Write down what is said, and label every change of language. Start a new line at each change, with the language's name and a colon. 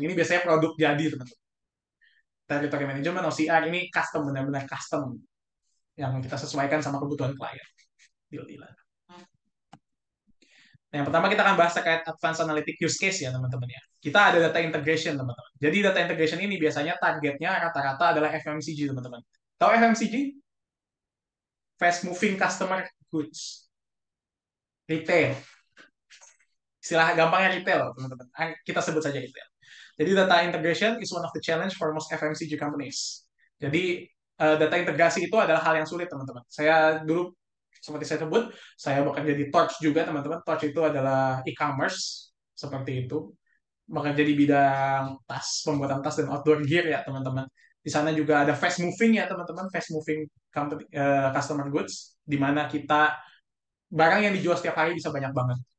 Indonesian: Ini biasanya produk jadi, teman-teman. Territory management, OCR, ini custom, benar-benar custom. Yang kita sesuaikan sama kebutuhan klien. Deal-deal. Nah, yang pertama kita akan bahas terkait advanced analytic use case ya, teman-teman ya. Kita ada data integration, teman-teman. Jadi data integration ini biasanya targetnya rata-rata adalah FMCG, teman-teman. Tahu FMCG?
English: Fast moving customer goods. Retail.
Indonesian: Istilah gampangnya retail, teman-teman. Kita sebut saja retail. Jadi
English: data integration is one of the challenge for most FMCG companies.
Indonesian: Jadi data integrasi itu adalah hal yang sulit, teman-teman. Saya dulu seperti saya sebut, saya bekerja di Torch juga, teman-teman. Torch itu adalah e-commerce, seperti itu. Bekerja di bidang tas, pembuatan tas dan outdoor gear ya, teman-teman. Di sana juga ada fast moving ya, teman-teman. Fast moving company, customer goods, di mana kita barang yang dijual setiap hari bisa banyak banget.